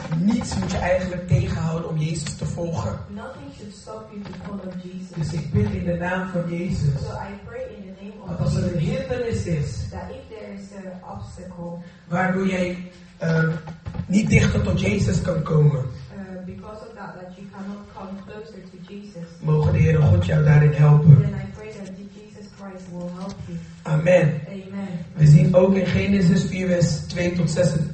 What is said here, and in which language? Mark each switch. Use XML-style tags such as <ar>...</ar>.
<nl>Niets moet je eigenlijk tegenhouden om Jezus te volgen.</nl> <en>Nothing should stop you to follow Jesus.</en> <nl>Dus ik bid in de naam van Jezus.</nl> <en>So I pray in the name of</en> <nl>dat als er een hindernis is.</nl> <en>That if there is an obstacle.</en> <nl>Waardoor jij niet dichter tot Jezus kan komen.</nl> <en>Because of that you cannot come closer to Jesus.</en> <nl>Mogen de Heere God jou daarin helpen.</nl> <en>Then I pray that Jesus Christ will help you. Amen. Amen.</en> <nl>We zien ook in Genesis 4 vers 2 tot 6.</nl>